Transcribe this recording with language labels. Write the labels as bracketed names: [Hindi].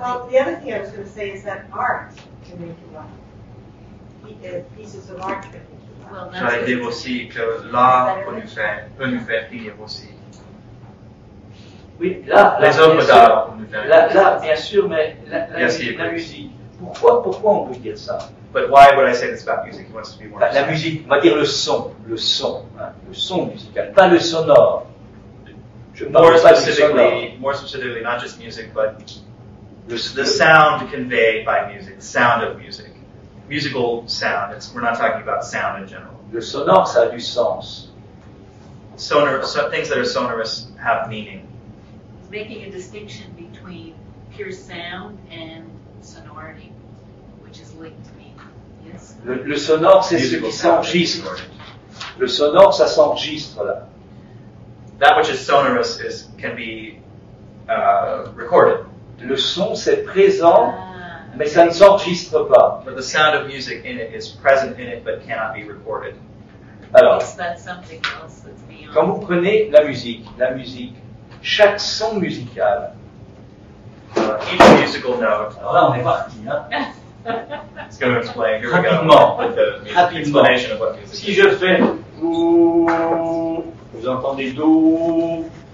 [English] Well, the other thing I was going to say is that art can make you laugh. Pieces of art can make you laugh. [French] J'allais dire aussi que l'art peut nous faire rire aussi. Oui, là, les œuvres d'art. Là, bien sûr, mais la musique. Pourquoi on peut dire ça? [English] But why would I say this about music? He wants to be more. [French] La musique, on va dire le son, hein, le son musical, pas le sonore. [English] More specifically, not just music, but the sound conveyed by music, the sound of music, musical sound. We're not talking about sound in general. [French] Le sonore, ça a du sens. [English] Things that are sonorous have meaning. Making a distinction between pure sound and sonority, which is linked to me. Yes? [French] Le sonore, c'est ce qui s'enregistre. Le sonore, ça s'enregistre, là. [English] That which is sonorous can be recorded. [French] Le son, c'est présent, mais ça ne s'enregistre pas. [English] But the sound of music in it is present in it, but cannot be recorded. [French] Alors, [English] is that something else that's beyond? [French] Quand vous prenez la musique, chaque son musical. [English] Each musical note. [French] Là, on est parti, hein. [English] It's going to explain. Here [French] rapidement. [English] We go. With the explanation of what music. [French] Si je fais, vous entendez do.